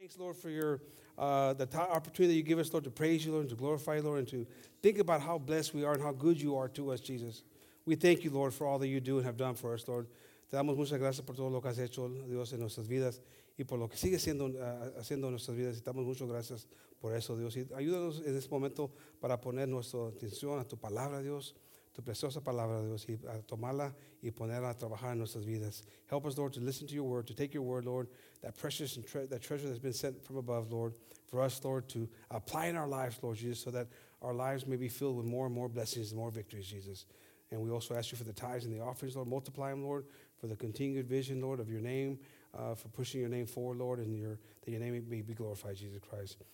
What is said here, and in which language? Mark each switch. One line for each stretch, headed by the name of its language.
English: Thanks, Lord, for your the opportunity that you give us, Lord, to praise you, Lord, and to glorify you, Lord, and to think about how blessed we are and how good you are to us, Jesus. We thank you, Lord, for all that you do and have done for us, Lord.
Spanish: Te damos muchas gracias por todo lo que has hecho, Dios, en nuestras vidas y por lo que sigue siendo, haciendo en nuestras vidas. Te damos muchas gracias por eso, Dios. Y ayúdanos en este momento para poner nuestra atención a tu palabra, Dios, tu preciosa palabra, Dios, y a tomarla y ponerla a trabajar en nuestras vidas.
English: Help us, Lord, to listen to your word, to take your word, Lord, that precious and that treasure that's been sent from above, Lord, for us, Lord, to apply in our lives, Lord Jesus, so that our lives may be filled with more and more blessings and more victories, Jesus. And we also ask you for the tithes and the offerings, Lord. Multiply them, Lord, for the continued vision, Lord, of your name, for pushing your name forward, Lord, and that your name may be glorified, Jesus Christ.